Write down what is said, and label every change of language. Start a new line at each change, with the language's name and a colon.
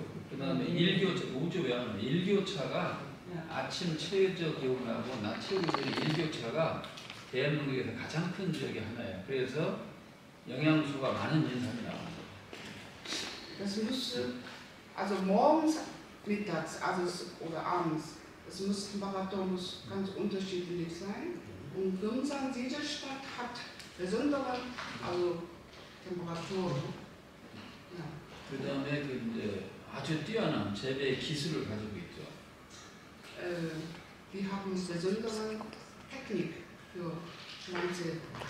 Korean: 그다음에 일교차, 우주 외환, 일교차가 아침 최저 기온하고 낮 최고 기온의 일교차가 대한민국에서 가장 큰 지역의 하나예요. 그래서 영양소가 많은 인삼이 나옵니다.
German: Das muss also morgens, mittags, also oder abends, das muss Temperatur muss ganz unterschiedlich sein. Und 금산 diese Stadt hat besondere also Temperatur.
Korean: 그 다음에 그 이제 아주 뛰어난 재배 기술을 가지고 있죠.
German: Die haben besondere Technik für Pflanze.